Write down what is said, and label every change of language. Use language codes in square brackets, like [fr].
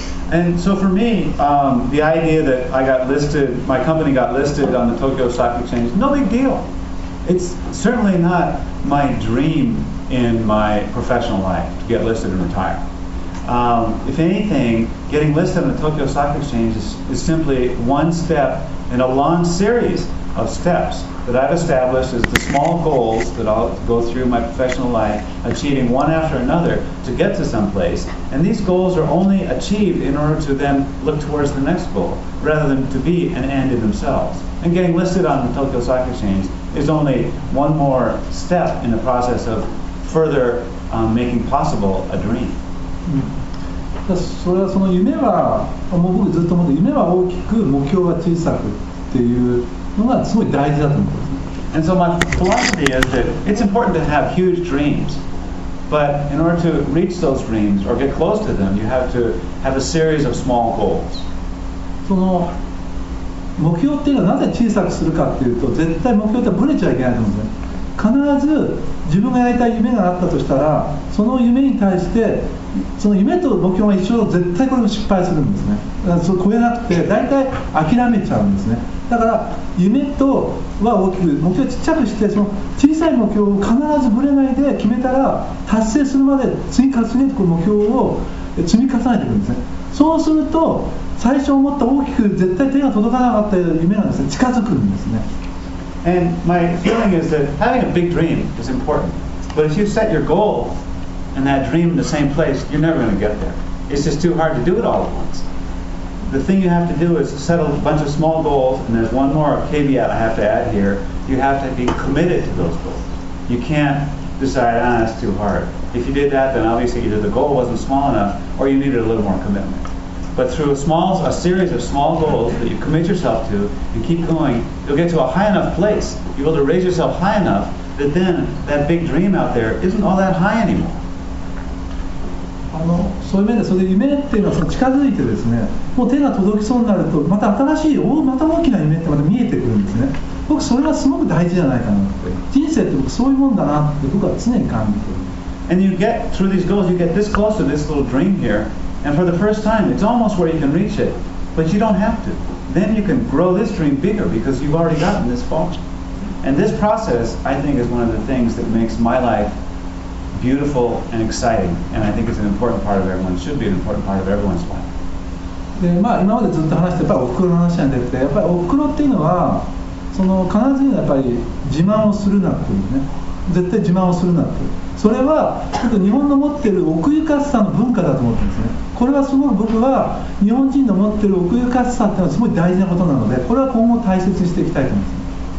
[en] And so for me, the idea that I got listed, my company got listed on the Tokyo Stock Exchange, no big deal. It's certainly not my dream in my professional life to get listed and retire. If anything, getting listed on the Tokyo Stock Exchange is simply one step in a long series. Of steps that I've established as the small goals that I'll go through my professional life, achieving one after another to get to some place. And these goals are only achieved in order to then look towards the next goal, rather than to be an end in themselves. And getting listed on the Tokyo Stock Exchange is only one more step in the process of further making possible a dream. [ja] それはその夢は、僕ずっと思って、夢は大きく、目標は小さく。ていうのがすごい大事だと思います。 [en] And so my philosophy is that it's important to have huge dreams, but in order to reach those dreams or get close to them, you have to have a series of small goals. [ja] その目標っていうのはなぜ小さくするかっていうと、絶対目標ってブレちゃいけないと思うんですね。必ず自分がやりたい夢があったとしたら、その夢に対して、その夢と目標が一緒だと絶対これも失敗するんですね。だからそれ超えなくて、大体諦めちゃうんですね。だから夢とは大きく、目標を小さくして、その小さい目標を必ずぶれないで決めたら、達成するまで次から次へとこの目標を積み重ねていくんですね。そうすると、最初思った大きく絶対手が届かなかった夢がですね、近づくんですね。 [en] And my feeling is that having a big dream is important. But if you set your goal and that dream in the same place, you're never going to get there. It's just too hard to do it all at once. The thing you have to do is set a bunch of small goals, and there's one more caveat I have to add here. You have to be committed to those goals. You can't decide, ah, it's too hard. If you did that, then obviously either the goal wasn't small enough or you needed a little more commitment. But through a series of small goals that you commit yourself to and keep going, you'll get to a high enough place. You'll be able to raise yourself high enough that then that big dream out there isn't all that high anymore. [ja] そういう面で、それで夢っていうのは近づいてですね、もう手が届きそうになると、また新しい、また大きな夢ってまた見えてくるんですね。僕、それはすごく大事じゃないかなって。人生って僕、そういうもんだなって僕は常に感じてる。 [en] And you get through these goals, you get this close to this little dream here. And for the first time, it's almost where you can reach it, but you don't have to. Then you can grow this dream bigger because you've already gotten this far. And this process, I think, is one of the things that makes my life beautiful and exciting. And I think it's an important part of everyone, it should be an important part of everyone's life. [ja] で、まあ、今までずっと話して、やっぱりおふくろの話なんでって、やっぱりおふくろっていうのは、その必ずやっぱり自慢をするなっていうね。絶対自慢をするなって。それはちょっと日本の持ってる奥ゆかしさの文化だと思ってるんですね。これはすごい僕は日本人の持ってる奥ゆかしさってのはすごい大事なことなので、これは今後大切にしていきたいと思います。